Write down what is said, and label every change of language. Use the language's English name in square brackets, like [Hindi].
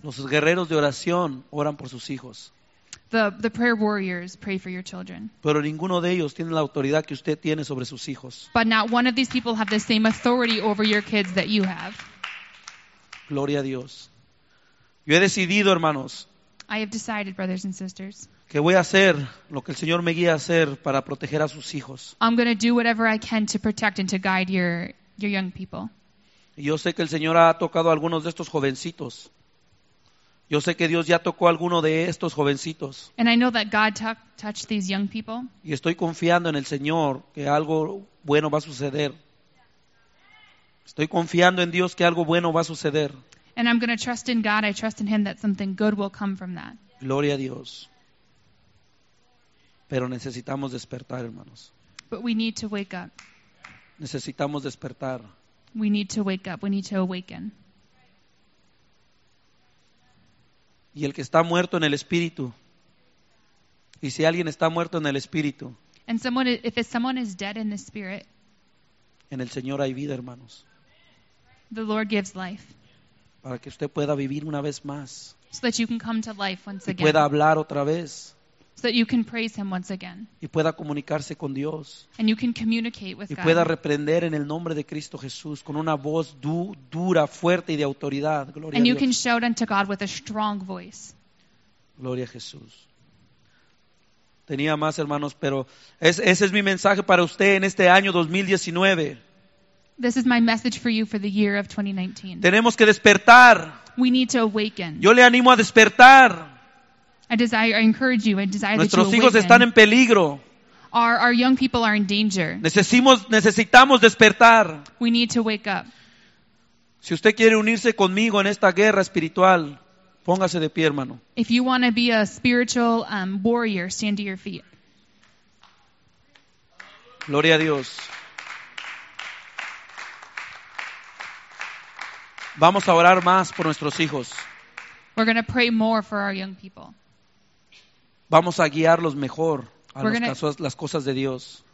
[Spanish] Los guerreros de oración oran por sus hijos. [English] The prayer warriors pray for your children. [Spanish] Pero ninguno de ellos tiene la autoridad que usted tiene sobre sus hijos. [English] But not one of these people have the same authority over your kids that you have. [Spanish] Gloria a Dios. Yo he decidido, hermanos, [English] I have decided, brothers and sisters, [Spanish] que voy a hacer lo que el Señor me guía a hacer para proteger a sus hijos. [English] I'm going to do whatever I can to protect and to guide your young people. [Spanish] Y yo sé que el Señor ha tocado a algunos de estos jovencitos. Yo sé que Dios ya tocó a alguno de estos jovencitos. [English] And I know that God touched these young people. [Spanish] Y estoy confiando en el Señor que algo bueno va a suceder. Estoy confiando en Dios que algo bueno va a suceder. [English] And I'm going to trust in God. I trust in Him that something good will come from that. [Spanish] Gloria a Dios. Pero necesitamos despertar, hermanos. [English] But we need to wake up. [Spanish] Necesitamos despertar. [English] We need to wake up. We need to awaken. [Spanish] Y el que está muerto en el espíritu. Y si alguien está muerto en el espíritu. [English] And someone, if someone is dead in the spirit. [Spanish] En el Señor hay vida, hermanos. [English] The Lord gives life. [Spanish] Para que usted pueda vivir una vez más. [English] So that you can come to life once again. [Spanish] Y pueda hablar otra vez. [English] So that you can praise Him once again. [Spanish] Y pueda comunicarse con Dios. [English] And you can communicate with [Spanish] y [English] God. [Spanish] Y pueda reprender en el nombre de Cristo Jesús con una voz dura, fuerte y de autoridad. Gloria [English] and [Spanish] a [English] you [Spanish] Dios. [English] Can shout unto God with a strong voice. [Spanish] Gloria a Jesús. Tenía más hermanos, pero ese es mi mensaje para usted en este año 2019. [English] This is my message for you for the year of 2019. [Spanish] Tenemos que despertar. [English] We need to awaken. [Spanish] Yo le animo a despertar. [English] I encourage you. [Spanish] Nuestros hijos están en peligro. [English] Our young people are in danger. [Spanish] Necesitamos despertar. [English] We need to wake up. [Spanish] Si usted quiere unirse conmigo en esta guerra espiritual, póngase de pie, hermano. [English] If you want to be a spiritual warrior, stand to your feet. [Spanish] Gloria a Dios. Vamos a orar más por nuestros hijos. [English] We're going to pray more for our young people. [Spanish] Vamos a guiarlos mejor a las cosas de Dios.